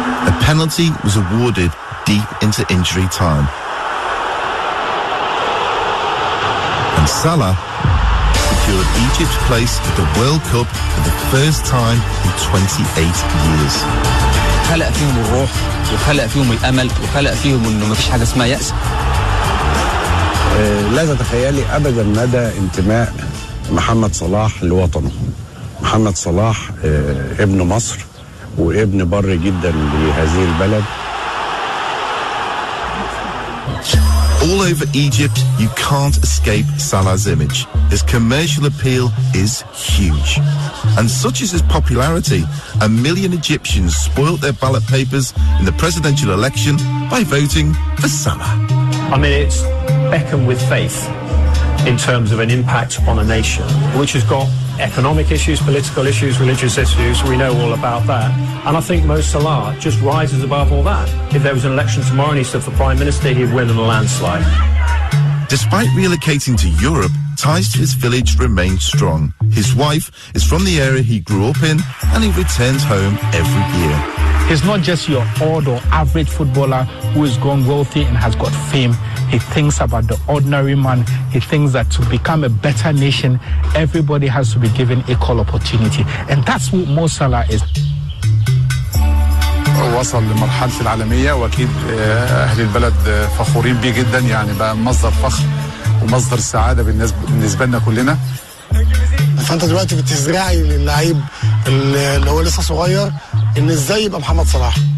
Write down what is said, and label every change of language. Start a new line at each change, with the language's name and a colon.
English: A penalty was awarded deep into injury time. And Salah secured Egypt's place at the World Cup for the first time in 28 years.
Arabic: خلق فيهم الروح وخلق فيهم الأمل وخلق فيهم إنه ما فيش حاجة اسمها يأس. لا تتخيلي أبدا مدى انتماء محمد صلاح لوطنه. محمد صلاح ابن مصر وابن بر جدا لهذه البلد.
English: All over Egypt, you can't escape Salah's image. His commercial appeal is huge. And such is his popularity, a million Egyptians spoilt their ballot papers in the presidential election by voting for Salah. I mean, it's Beckham with faith in terms of an impact on a nation, which has got economic issues, political issues, religious issues. We know all about that. And I think Mo Salah just rises above all that. If there was an election tomorrow and he stood for Prime Minister, he'd win in a landslide. Despite relocating to Europe, ties to his village remain strong. His wife is from the area he grew up in, and he returns home every year. He's not just your ordinary average footballer who has gone wealthy and has got fame. He thinks about the ordinary man. He thinks that to become a better nation, everybody has to be given equal opportunity. And that's what Mo Salah is.
Arabic: وصل لمرحلة العالمية وأكيد أهل البلد فخورين بيه جدا يعني بقى مصدر فخر ومصدر سعادة بالنسبة لنا كلنا فأنت دلوقتي بتزرعي للعيب اللي هو لسه صغير إن إزاي يبقى محمد صلاح